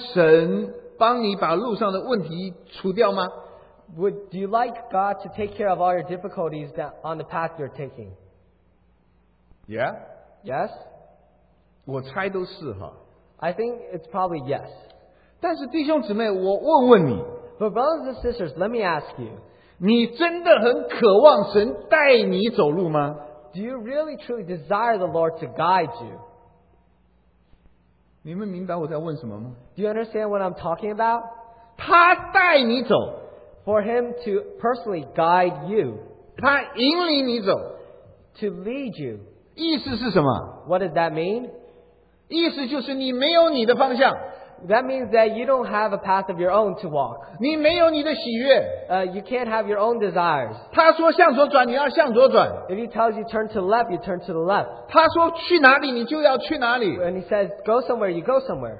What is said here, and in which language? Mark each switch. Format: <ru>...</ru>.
<zh>你喜欢神帮你把路上的问题除掉吗?</zh> <en>Do you like God to take care of all your difficulties that on the path you're taking? Yeah? Yes?</en> <zh>我猜都是哈,</zh> <en>I think it's probably yes.</en> <zh>但是弟兄姊妹, 我问问你,</zh> <en>but brothers and sisters, let me ask you,</en> <zh>你真的很渴望神带你走路吗?</zh> <en>Do you really truly desire the Lord to guide you?</en> <zh>你们明白我在问什么吗?</zh> <en>Do you understand what I'm talking about?</en> <zh>他带你走,</zh> <en>For him to personally guide you.</en> <zh>他引领你走,</zh> <en>to lead you.</en> <zh>意思是什么?</zh> <en>What does that mean?</en> <zh>意思就是你没有你的方向。</zh> <en>That means that you don't have a path of your own to walk.</en> <zh>你没有你的喜悦。</zh> <en>You can't have your own desires.</en> <zh>他说向左转,</zh> <en>if he tells you turn to the left, you turn to the left.</en> <zh>他说去哪里,</zh> <en>and he says go somewhere, you go somewhere.</en>